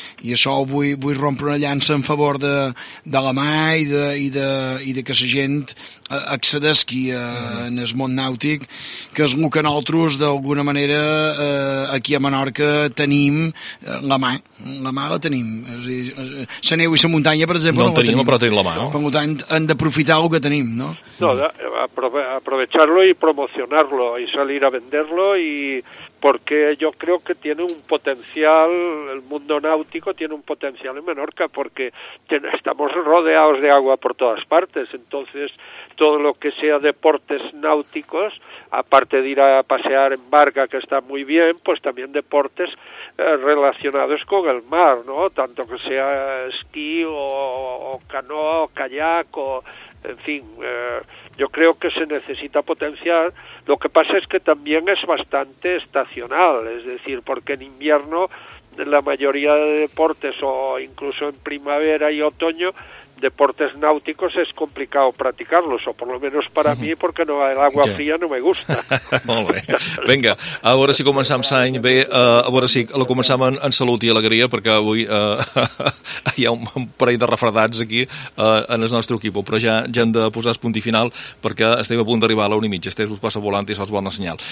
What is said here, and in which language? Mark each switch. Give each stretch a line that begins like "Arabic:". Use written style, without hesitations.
Catalan: I això vull rompre una llança en favor de la mà i de que la gent accedesqui en el món nàutic, que és el que nosaltres, d'alguna manera, aquí a Menorca tenim la mà. La mà la tenim. És a dir, la neu i la muntanya, per exemple, no tenim. Però tenim la mà, no? Per tant, hem d'aprofitar el que tenim, no?
Spanish: No, aprovecharlo y promocionarlo y salir a venderlo y porque yo creo que tiene un potencial, el mundo náutico tiene un potencial en Menorca porque estamos rodeados de agua por todas partes, entonces todo lo que sea deportes náuticos, aparte de ir a pasear en barca, que está muy bien, pues también deportes relacionados con el mar, ¿no? Tanto que sea esquí o canoa o kayak o, en fin, yo creo que se necesita potenciar. Lo que pasa es que también es bastante estacional, es decir, porque en invierno la mayoría de deportes, o incluso en primavera y otoño, deportes náuticos es complicado practicarlos, o por lo menos para mí, porque no, el agua fría no me gusta.
Catalan: Molt bé. Vinga, a veure si començam l'any bé, a veure si la començam en salut i alegria, perquè avui hi ha un parell de refredats aquí en el nostre equip, però ja hem de posar el punt i final, perquè estem a punt d'arribar a la 1:30, estem us passa volant i això és bona senyal.